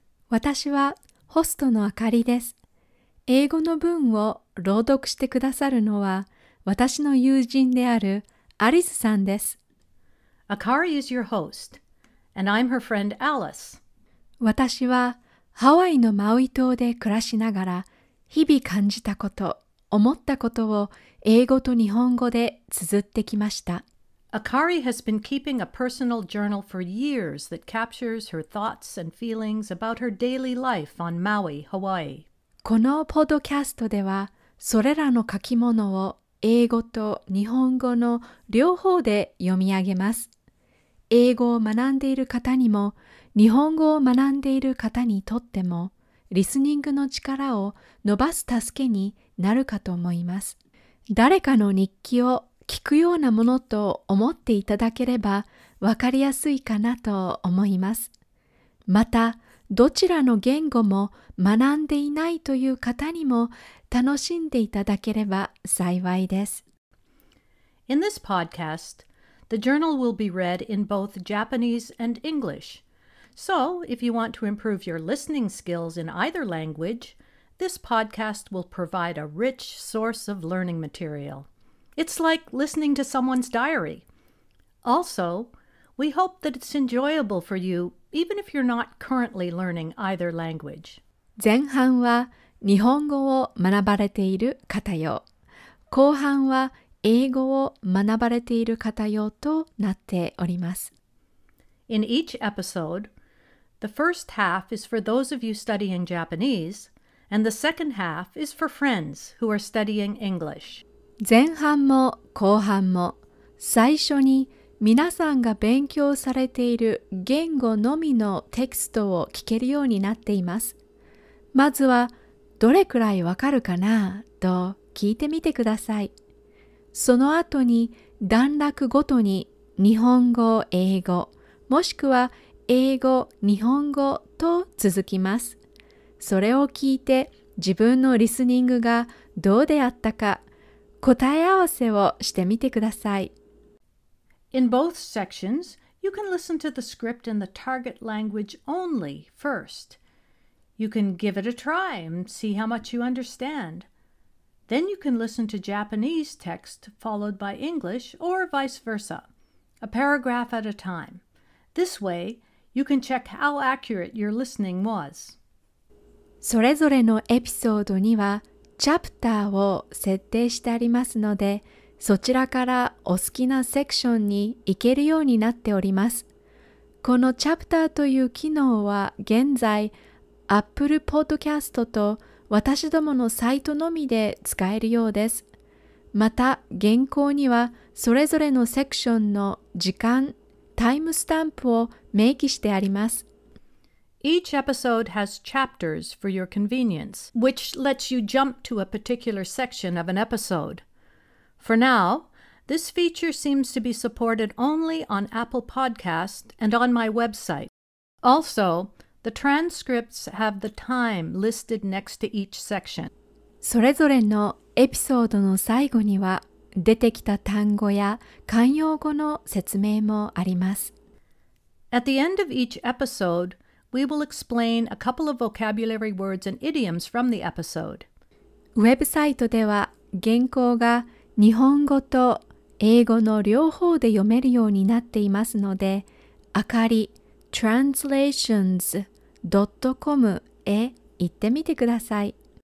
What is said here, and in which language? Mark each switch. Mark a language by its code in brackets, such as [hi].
[ja] 私はホストのあかりです。英語の文を朗読してくださるのは私の友人であるアリスさんです。 [en] Akari is your host, and I'm her friend Alice. [ja] 私はハワイのマウイ島で暮らしながら、日々感じたこと、思ったことを英語と日本語で綴ってきました。 [en] Akari has been keeping a personal journal for years that captures her thoughts and feelings about her daily life on Maui, Hawaii. [ja] このポッドキャストでは、それらの書き物を英語と日本語の両方で読み上げます。英語を学んでいる方にも、日本語を学んでいる方にとっても、リスニングの力を伸ばす助けになるかと思います。誰かの日記を聞くようなものと思っていただければ、わかりやすいかなと思います。また、どちらの言語も学んでいないという方にも、楽しんでいただければ幸いです。 [en] In this podcast, the journal will be read in both Japanese and English. So, if you want to improve your listening skills in either language, this podcast will provide a rich source of learning material. It's like listening to someone's diary. Also, we hope that it's enjoyable for you, even if you're not currently learning either language. [ja] 前半は日本語を学ばれている方よ。後半は英語を学ばれている方よとなっております。 [en] In each episode,The first half is for those of you studying Japanese, and the second half is for friends who are studying English. [ja] 前半も後半も、最初に皆さんが勉強されている言語のみのテキストを聞けるようになっています。まずは、どれくらいわかるかなと聞いてみてください。その後に段落ごとに日本語、英語、もしくは英語、日本語と続きます。それを聞いて自分のリスニングがどうであったか答え合わせをしてみてください。 [en] In both sections, you can listen to the script in the target language only first. You can give it a try and see how much you understand. Then you can listen to Japanese text followed by English or vice versa, a paragraph at a time. This way,You can check how accurate your listening was. [ja] それぞれのエピソードにはチャプターを設定してありますので、そちらからお好きなセクションに行けるようになっております。このチャプターという機能は現在、Apple Podcast と私どものサイトのみで使えるようです。また、原稿にはそれぞれのセクションの時間、タイムスタンプを明記してあります。 [en] Each episode has chapters for your convenience, which lets you jump to a particular section of an episode. For now, this feature seems to be supported only on Apple Podcasts and on my website. Also, the transcripts have the time listed next to each section. [ja] それぞれのエピソードの最後には、出てきた単語や慣用語の説明もあります。 [en] At the end of each episode, we will explain a couple of vocabulary words and idioms from the episode. [ja] ウェブサイトでは原稿が日本語と英語の両方で読めるようになっていますので、あかり translations.com へ行ってみてください。